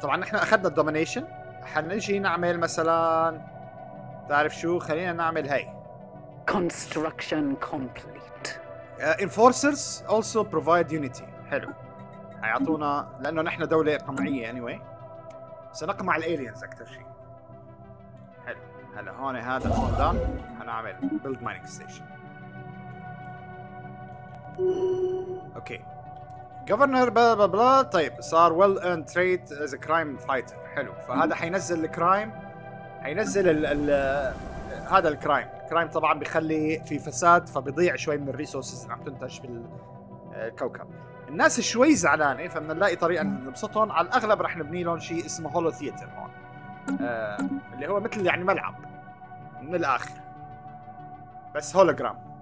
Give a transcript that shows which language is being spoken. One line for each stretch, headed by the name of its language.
Arabic: طبعا احنا اخذنا الدومينيشن، حنجي نعمل مثلا تعرف شو، خلينا نعمل هاي
English: construction complete. Enforcers also provide unity.
Arabic: حلو، هيعطونا لانه نحن دولة قمعية anyway، سنقمع الالينز اكتر شيء. حلو، هلا هون هذا هون دان، هنعمل
English: build mining station.
Arabic: اوكي governor بلا بلا بلا. طيب صار
English: well earned trait as a crime fighter.
Arabic: حلو، فهذا حينزل الكرايم، حينزل ال هذا الكرايم. الكرايم طبعا بيخلي في فساد، فبيضيع شوي من الريسورسز اللي عم تنتج بالكوكب. الناس شوي زعلانه، فبدنا نلاقي طريقه نبسطهم. على الاغلب رح نبني لهم شيء اسمه هولو ثياتر هون، اللي هو مثل يعني ملعب من الاخر بس هولوجرام.